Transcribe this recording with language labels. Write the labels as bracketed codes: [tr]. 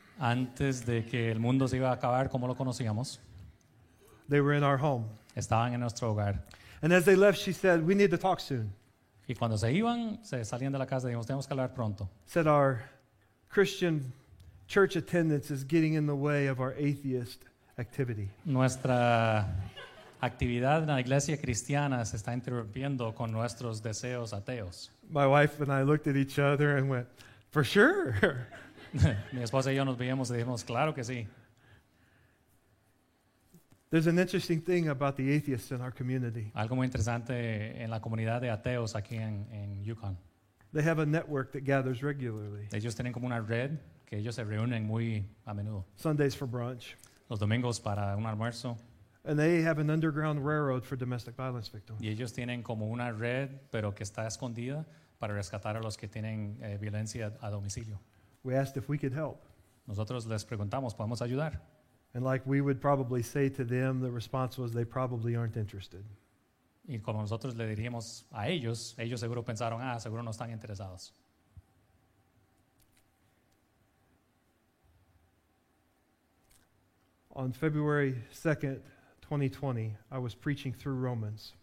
[es] Antes de que el mundo se iba a acabar como lo conocíamos. [en] They were in our home. [es] Estaban en nuestro hogar. [en] And as they left, she said, we need to talk soon. [es] Y cuando se iban, se salían de la casa, dijimos, tenemos que hablar pronto. [en] Said our Christian church attendance is getting in the way of our atheist activity. [es] Nuestra actividad en la iglesia cristiana se está interrumpiendo con nuestros deseos ateos. [en] My wife and I looked at each other and went, for sure. [es] Mi esposa y yo nos veíamos y dijimos, claro que sí. [en] There's an interesting thing about the atheists in our community. [es] Algo muy interesante en la comunidad de ateos aquí en Yukon. [en] They have a network that gathers regularly. [es] Ellos tienen como una red que ellos se reúnen muy a menudo. [en] Sundays for brunch. [es] Los domingos para un almuerzo. [en] And they have an underground railroad for domestic violence victims. [es] Y ellos tienen como una red, pero que está escondida para rescatar a los que tienen violencia a domicilio. [en] We asked if we could help. [es] Nosotros les preguntamos, ¿podemos ayudar? [en] And like we would probably say to them, the response was they probably aren't interested. [es] Y como nosotros le diríamos a ellos, ellos seguro pensaron, ah, seguro no están interesados. [en] On February 2nd, 2020, I was preaching through Romans.